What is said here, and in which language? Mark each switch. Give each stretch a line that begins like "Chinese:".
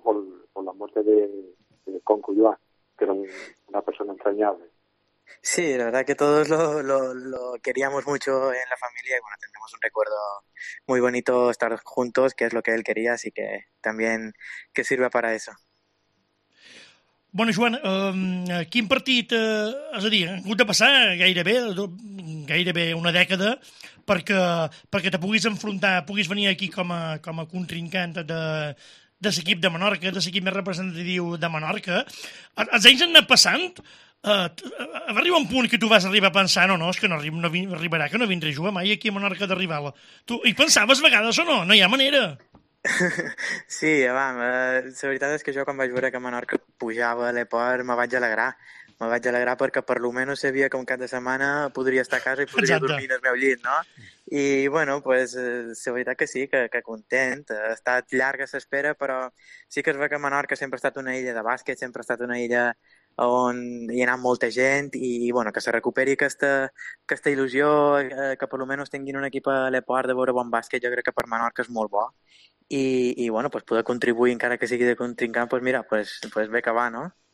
Spanish: Por la muerte de Conco Joan, que era una persona entrañable. Sí, la verdad que todos lo queríamos mucho en la familia, y bueno, tenemos un recuerdo muy bonito estar juntos, que es lo que él quería, así que también que sirva para eso.
Catalan: Bueno, Joan, quin partit, és a dir, ha hagut de passar gairebé una dècada perquè te puguis enfrontar, puguis venir aquí com a contrincant de l'equip de Menorca, de l'equip més representatiu de Menorca. Els anys han anat passant, arriba un punt que tu vas arribar pensant, no, és que no arribarà, que no vindré a jugar mai aquí a Menorca de rival. Tu hi pensaves vegades o no? No hi ha manera. Sí, la veritat és que jo quan vaig veure que Menorca pujava a l'Eport me vaig alegrar perquè per lo menos sabia que un cap de setmana podria estar a casa i podria dormir en el meu llit, no? I bueno, pues la veritat que sí, que content, ha estat llarga l'espera, però sí que es veu que Menorca sempre ha estat una illa de bàsquet, sempre ha estat una illa on hi ha anat molta gent i bueno, que se recuperi aquesta il·lusió, que per lo menys tinguin un equip a l'esport de veure bon bàsquet, jo crec que per Menorca és molt bo. I bueno, pues poder contribuir encara que sigui de contrincant, pues mira, pues bé que va, no?